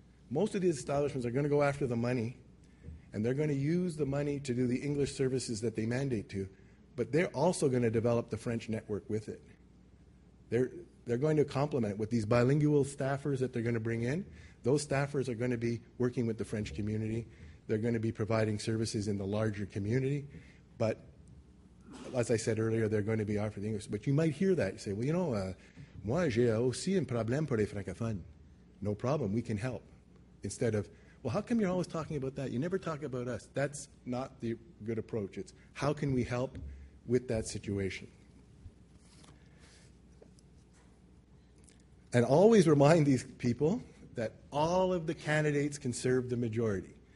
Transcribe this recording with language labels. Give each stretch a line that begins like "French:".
English: Most of these establishments are going to go after the money, and they're going to use the money to do the English services that they mandate to, but they're also going to develop the French network with it. They're going to complement with these bilingual staffers that they're going to bring in. Those staffers are going to be working with the French community. They're going to be providing services in the larger community. But as I said earlier, they're going to be offering English. But you might hear that. You say,
French: moi j'ai aussi un problème pour les francophones.
English: No problem. We can help. Instead of, how come you're always talking about that? You never talk about us. That's not the good approach. It's how can we help with that situation? And always remind these people that all of the candidates can serve the majority.